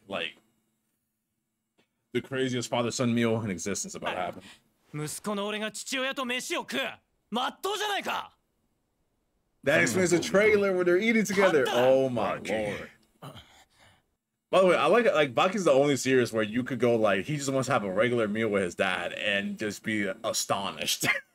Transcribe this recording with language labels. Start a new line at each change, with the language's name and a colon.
English: Like, the craziest father-son meal in existence about to happen.
Japanese: 息子の俺が父親と飯を食う。まっとうじゃないか。
English: That explains the trailer where they're eating together. Oh my lord. By the way, I like it. Like, Baki's the only series where you could go, like, he just wants to have a regular meal with his dad and just be astonished.